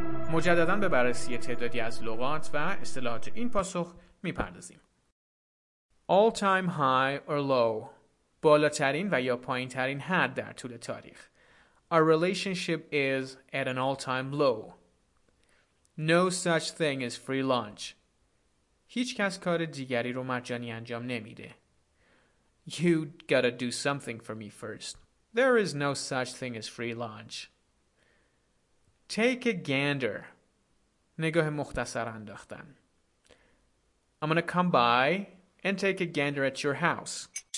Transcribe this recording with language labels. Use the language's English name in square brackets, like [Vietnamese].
[Persian] مجددا به بررسی تعدادی از لغات و اصطلاحات این پاسخ می‌پردازیم. [English] All time high or low. [Persian] بالاترین و یا پایین‌ترین حد در طول تاریخ. [English] Our relationship is at an all-time low. No such thing as free lunch. [Persian] هیچ کس کار دیگری رو مجانی انجام نمیده. [English] You gotta do something for me first. There is no such thing as free lunch. Take a gander. [Persian] نگاه مختصر انداختن. [English] I'm gonna come by and take a gander at your house.